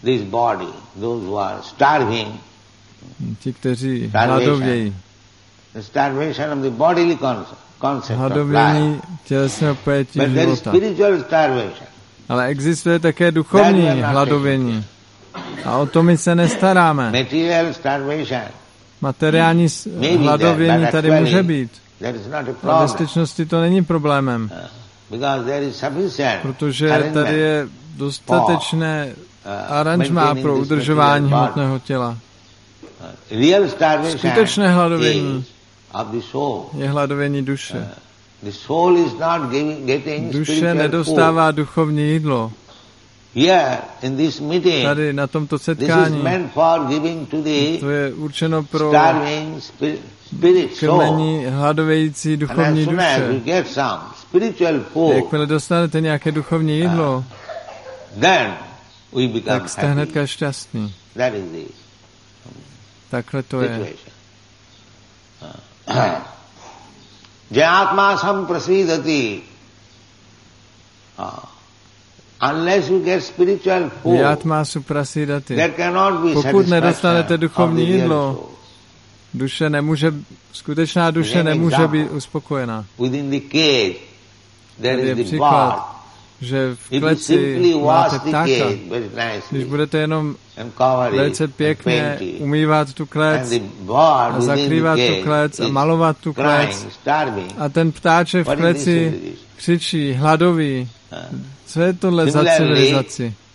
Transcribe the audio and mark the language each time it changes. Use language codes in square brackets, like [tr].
[en] This body, those who are starving, [cs] ti, kteří hladovějí. [en] Starvation of the bodily concept. [cs] Hladovění tělesného pojetí života. [en] But there is spiritual starvation. [cs] Ale existuje také duchovní hladovění. A o to my se nestaráme. [en] Material starvation. [cs] Materiální hladovění [en] there, [cs] tady může být. [en] There is not a problem. [cs] Ve skutečnosti to není problémem. [en] Because there is sufficient. [cs] Protože tady je dostatečné aranžmá pro udržování hmotného těla. [en] Real starvation. [cs] Skutečné hladovění [en] of the soul. [cs] Je hladovění duše. [en] The soul is not giving, getting [cs] duše nedostává duchovní jídlo. [en] Here in this meeting. [cs] Tady na tomto setkání. [en] This is meant for giving to the [cs] to je určeno pro [en] starving spirit soul. [cs] Krmení hladovějící duchovní duše. [en] And as soon as you get some spiritual food. [cs] Jakmile dostanete nějaké duchovní jídlo. [en] Then we become [cs] tak jste hnedka [en] happy. [cs] Šťastný. [en] That is the [cs] takhle to [en] situation. [cs] Je. [sa] Jatma sam prasidati. [en] Unless you get spiritual food, [sa] jatma suprasidati. [en] There cannot be [cs] pokud nedostanete duchovní jídlo, duše nemůže, skutečná duše nemůže být uspokojená. [en] Within the cage, there [cs] je příklad, že v kleci máte ptáka. Když budete jenom velice pěkně umývat tu klec a zakrývat tu klec a malovat tu klec a ten ptáče v kleci křičí, hladový. Co je tohle za civilizaci?